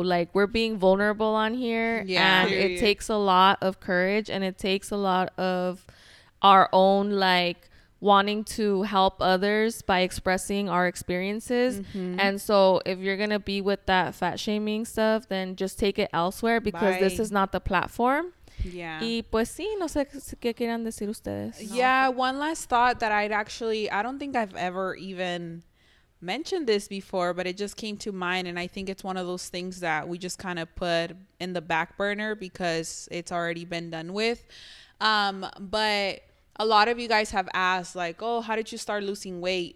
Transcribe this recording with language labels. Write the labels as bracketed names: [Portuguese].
[English] Like, we're being vulnerable on here. Yeah. And it takes a lot of courage, and it takes a lot of our own, like, wanting to help others by expressing our experiences. Mm-hmm. And so if you're gonna be with that fat shaming stuff, then just take it elsewhere, because this is not the platform. Yeah. [Spanish] Y pues sí, no sé qué quieran decir ustedes. [English] Yeah, one last thought that I don't think I've ever even mentioned this before, but it just came to mind, and I think it's one of those things that we just kind of put in the back burner because it's already been done with. But a lot of you guys have asked, like, oh, how did you start losing weight?